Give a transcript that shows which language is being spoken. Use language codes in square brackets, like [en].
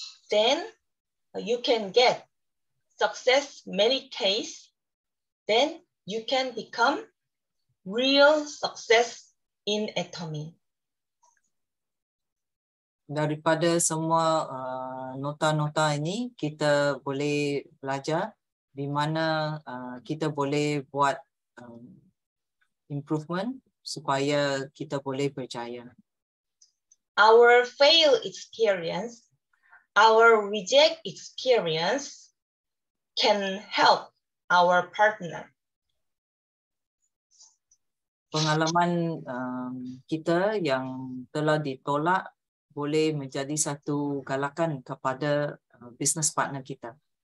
[en] Then you can get success many case, then you can become real success in atomy. [ms] Daripada semua nota-nota ini, kita boleh belajar di mana kita boleh buat improvement supaya kita boleh berjaya. [en] Our fail experience, our reject experience can help our partner. [ms] Pengalaman kita yang telah ditolak boleh menjadi satu galakan kepada business partner kita.